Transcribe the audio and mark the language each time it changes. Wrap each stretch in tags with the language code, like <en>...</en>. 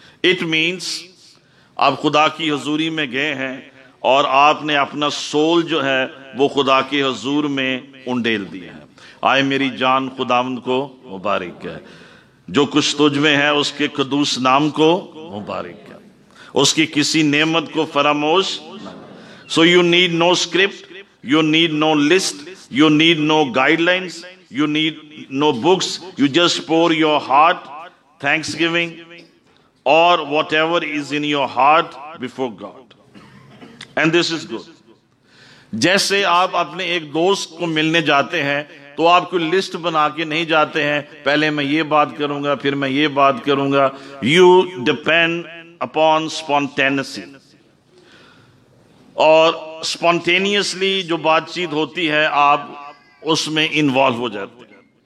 <en>it means</en> <hi>आप खुदा की हजूरी में गए हैं और आपने अपना सोल जो है वो खुदा के हजूर में उंडेल दिया है। आए मेरी जान खुदावंद को मुबारक है, जो कुछ तुझ में है उसके कदूस नाम को मुबारक है, उसकी किसी नेमत को फरामोश।</hi> <en>So you need no script, you need no list, you need no guidelines, you need no books, you just pour your heart thanksgiving or whatever is in your heart before God, and this is good.</en> <hi>जैसे आप अपने एक दोस्त को मिलने जाते हैं तो आप कोई लिस्ट बना के नहीं जाते हैं, पहले मैं ये बात करूंगा फिर मैं ये बात करूंगा,</hi> <en>you depend upon spontaneity.</en> <hi>और स्पॉन्टेनियसली जो बातचीत होती है आप उसमें इन्वॉल्व हो जाते हैं।</hi>